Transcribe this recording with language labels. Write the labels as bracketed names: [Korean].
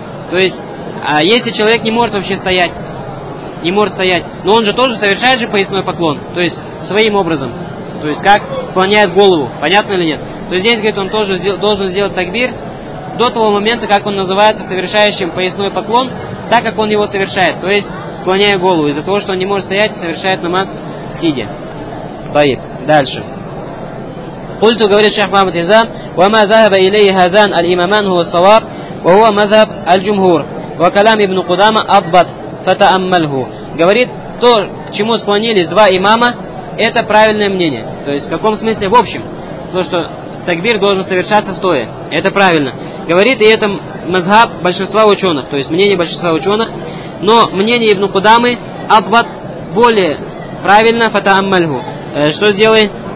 [Russian] То есть, а если человек не может вообще стоять, не может стоять, но он же тоже совершает же поясной поклон, то есть своим образом, то есть как склоняет голову, понятно или нет? То есть здесь, говорит, он тоже должен сделать такбир до того момента, как он называется совершающим поясной поклон, так как он его совершает, то есть склоняя голову, из-за того, что он не может стоять, совершает намаз сидя. Таиб. Дальше. [Arabic] قلت [Russian] говорит шейх Мухаммад Изам [Arabic] وما ذهب إليه هذان الإمامان هو الصواب وهو مذهب الجمهور وكلام ابن قدامة أضبط فتأمله. [Russian] Говорит, то, к чему склонились два имама, это правильное мнение. То есть в каком смысле? В общем, то, что такбир должен совершаться стоя, это правильно. Говорит, и это мазхаб большинства ученых, то есть мнение большинства ученых, но мнение ибн Кудамы Абват более правильно фатааммальгу. Что сделай?